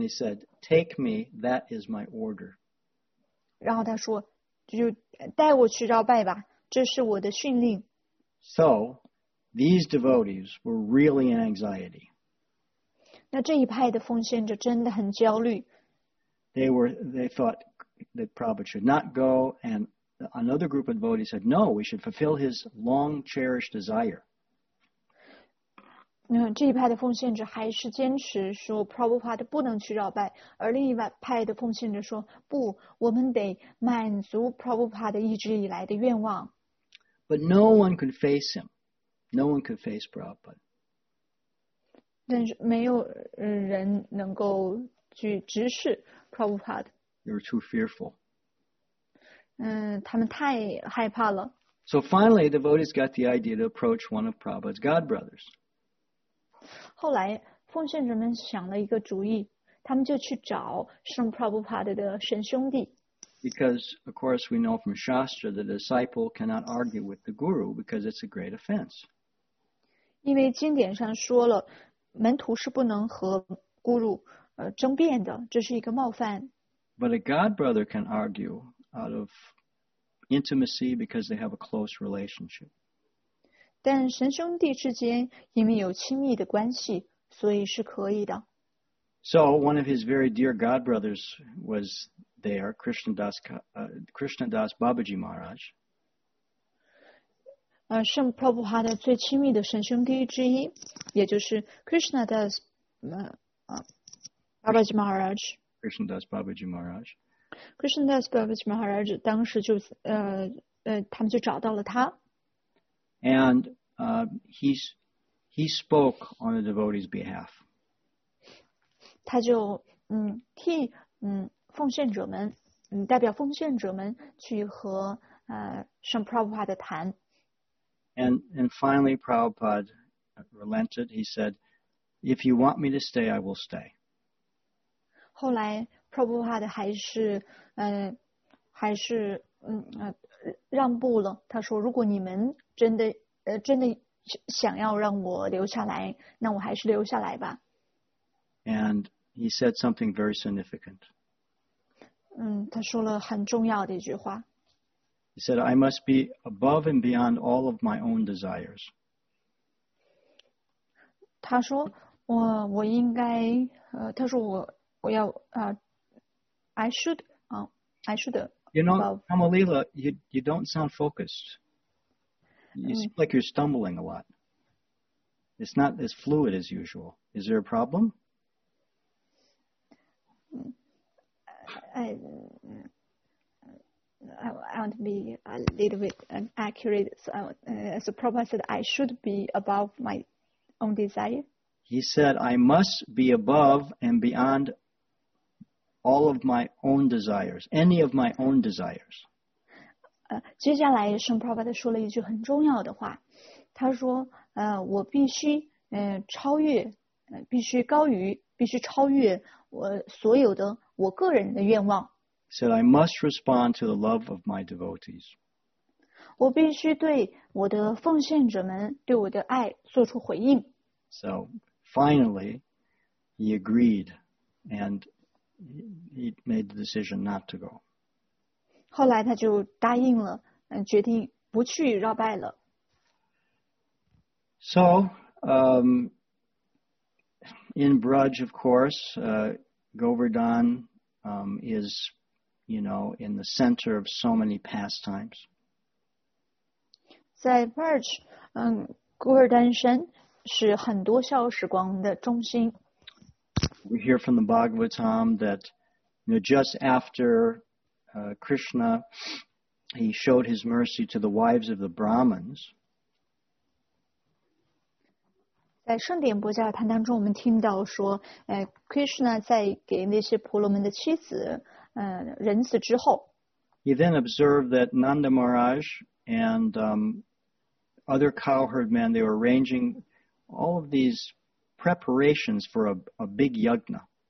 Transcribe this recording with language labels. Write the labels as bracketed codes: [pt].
[en] he said, take me, that is my order. [zh] 然后他说，就带我去绕拜吧，这是我的训令。 [en] So these devotees were really in anxiety. [zh] 那这一派的奉献者真的很焦虑。 [en] They thought that Prabhupada should not go, and another group of devotees said, no, we should fulfill his long cherished desire. [zh] 这一派的奉献者还是坚持说Prabhupada不能去绕拜，而另一派的奉献者说，不，我们得满足Prabhupada一直以来的愿望。 [en] But no one could face him. No one could face Prabhupada. [zh] 但是没有人能够去直视 Prabhupada。 [en] They were too fearful. [zh] 他们太害怕了。 [en] So finally, devotees got the idea to approach one of Prabhupada's godbrothers. [zh] 后来，奉献者们想了一个主意，他们就去找圣 Prabhupada 的神兄弟。 [en] Because, of course, we know from Shastra, the disciple cannot argue with the guru because it's a great offense. [zh] 因为经典上说了，门徒是不能和 guru 争辩的，这是一个冒犯。 [en] But a godbrother can argue out of intimacy because they have a close relationship. [zh] 但神兄弟之间因为有亲密的关系，所以是可以的。 [en] So one of his very dear godbrothers was there, Krishnadas Babaji Maharaj. [zh] 圣 Prabhupada 最亲密的神兄弟之一，也就是 Krishnadas Babaji Maharaj。 [en] Krishnadas Babaji Maharaj. [zh] Krishnadas Babaji Maharaj 当时就他们就找到了他。 [en] And he spoke on the devotee's behalf. [zh] 他就替奉献者们代表奉献者们去和圣 Prabhupada 谈。 [en] And finally, Prabhupada relented. He said, "If you want me to stay, I will stay." [zh] 后来 ，Prabhupada 让步了。他说：“如果你们真的想要让我留下来，那我还是留下来吧。” [en] And he said something very significant. [zh] 他说了很重要的一句话。 [en] He said, "I must be above and beyond all of my own desires." [zh] 他说：“我应该他说我。” 我要 [en] I should You know, Kamalila, you don't sound focused. You seem like you're stumbling a lot. It's not as fluid as usual. Is there a problem? I want to be a little bit accurate. So Prabhupada said I should be above my own desire. He said I must be above and beyond all of my own desires, any of my own desires. [zh] 接下来圣 Prabhupada 说了一句很重要的话，他说，我必须，超越，必须高于，必须超越我所有的我个人的愿望。 [en] Said I must respond to the love of my devotees. [zh] 我必须对我的奉献者们对我的爱做出回应。 [en] So finally, he agreed, and he made the decision not to go. [zh] 后来他就答应了，决定不去绕拜了。 [en] So, in Braj, of course, Govardhan is, you know, in the center of so many pastimes. [zh] 在 Braj, Govardhan 山是很多笑时光的中心。 [en] We hear from the Bhagavatam that, you know, just after Krishna, he showed his mercy to the wives of the Brahmins. [zh] 在圣典波迦谈当中，我们听到说，Krishna 在给那些婆罗门的妻子，仁慈之后。 [en] He then observed that Nanda Maharaj and other cowherd men, they were arranging all of these preparations for a big yajna.